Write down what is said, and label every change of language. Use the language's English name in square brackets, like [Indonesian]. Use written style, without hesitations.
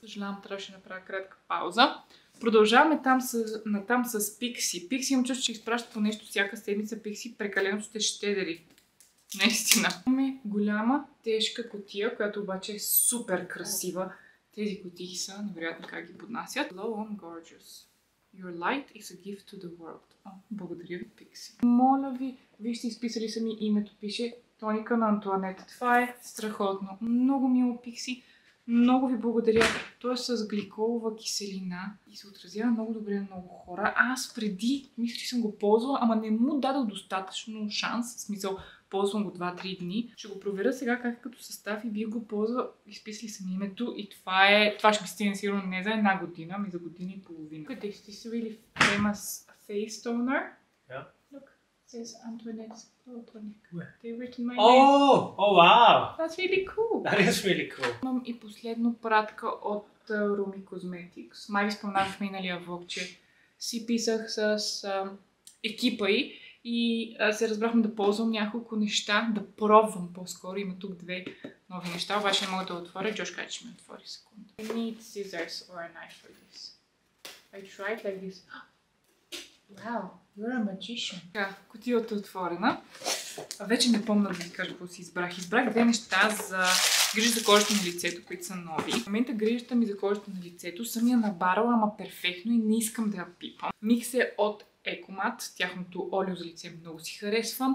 [Bulgarian] Съжалявам, трябваше да направя кратка пауза. Продължаваме натам с Pixi. Pixi имам чувство, че изпращат по нещо всяка седмица. Pixi прекалено сте щедри. Наистина. Имаме голяма, тежка кутия, която обаче е супер красива. Тези кутии са невероятно как ги поднасят. [English] Low on gorgeous. Your light is a gift to the world. [Bulgarian] Благодаря ви, Pixi. Моля ви, вижте, изписали са ми името, пише тоника на Антуанет. Това е страхотно. Много мило, Pixi. Много ви благодаря. Той е с гликолова киселина и се отразява много добре на много хора. Аз преди, мисля, че съм го ползвала, ама не му дадох достатъчно шанс. В смисъл, ползвам го 2-3 дни. Ще го проверя сега как е като състав и бих го ползвал. Изписали съм името и това е, това ще ми стигне сигурно не за една година, ами за година и половина. Къде сте си били Famous Face Toner? [English] Look, it says Antoinette's Oh, wow! That's really cool! That is really cool! [Bulgarian] Имам и последно пратка от Rumi Cosmetics. Май ви споменах в миналия влог, че си писах с екипа й и се разбрахме да ползвам няколко неща, да пробвам по-скоро. Има тук две нови неща, обаче не мога да отворя. Джош каже, че ми отвори секунда. [English] I need scissors or a knife for this. I tried like this. Wow! You're a magician. [Bulgarian] Така, кутията е отворена. А вече не помня да ви кажа какво си избрах. Избрах две неща за грижа за кожата на лицето, които са нови. В момента грижата ми за кожата на лицето съм я набарала, ама перфектно и не искам да я пипам. Микс е от Екомат. Тяхното олио за лице много си харесвам.